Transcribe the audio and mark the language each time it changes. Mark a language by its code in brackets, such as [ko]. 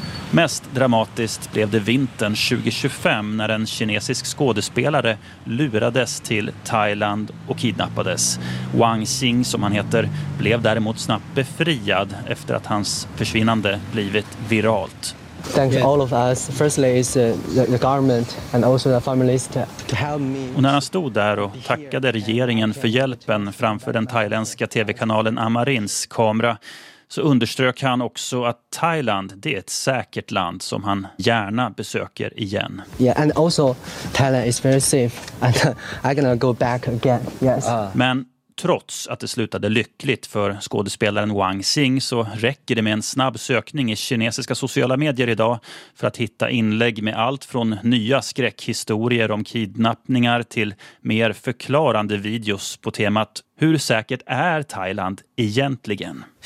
[sv] Mest dramatiskt blev det vintern 2025 när en kinesisk skådespelare lurades till Thailand och kidnappades. Wang Xing, som han heter, blev däremot snabbt befriad efter att hans försvinnande blivit viralt. [en] thank all of us. Firstly is the government and also the families to help me. [sv] Och när han stod där och tackade regeringen för hjälpen framför den thailändska TV-kanalen Amarins kamera, så underströk han också att Thailand, det är ett säkert land som han gärna besöker igen. [en] Yeah, and also Thailand is very safe and I'm gonna go back again. Yes. [sv] Men trots att det slutade lyckligt för skådespelaren Wang Xing, så räcker det med en snabb sökning i kinesiska sociala medier idag för att hitta inlägg med allt från nya skräckhistorier om kidnappningar till mer förklarande videos på temat hur säkert är Thailand egentligen?